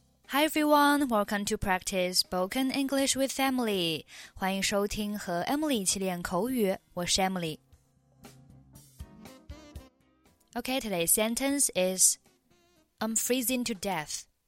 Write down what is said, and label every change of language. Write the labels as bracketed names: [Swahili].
[English] Hi everyone, welcome to practice spoken English with Emily. [Chinese] 欢迎收听和 Emily 一起练口语，我是 Emily. [English] Okay, today's sentence is I'm freezing to death.